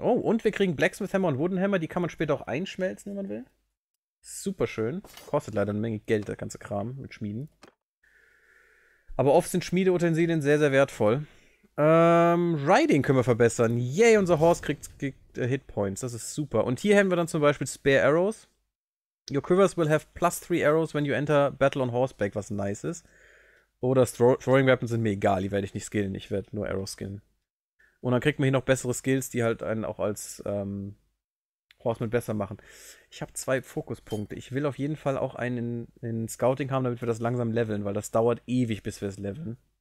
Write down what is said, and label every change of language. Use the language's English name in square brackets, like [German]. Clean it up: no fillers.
[German] Oh, und wir kriegen Blacksmith Hammer und Wooden Hammer. Die kann man später auch einschmelzen, wenn man will. Superschön. Kostet leider eine Menge Geld, der ganze Kram mit Schmieden. Aber oft sind Schmiedeutensilien sehr, sehr wertvoll. Riding können wir verbessern. Yay, unser Horse kriegt Hitpoints. Das ist super. Und hier haben wir dann zum Beispiel Spare Arrows. [English] Your quivers will have +3 arrows when you enter battle on horseback, [German] was nice ist. Oder throwing weapons sind mir egal, die werde ich nicht skillen, ich werde nur arrows skillen. Und dann kriegt man hier noch bessere Skills, die halt einen auch als Horseman besser machen. Ich habe 2 Fokuspunkte. Ich will auf jeden Fall auch einen in Scouting haben, damit wir das langsam leveln, weil das dauert ewig, bis wir es leveln.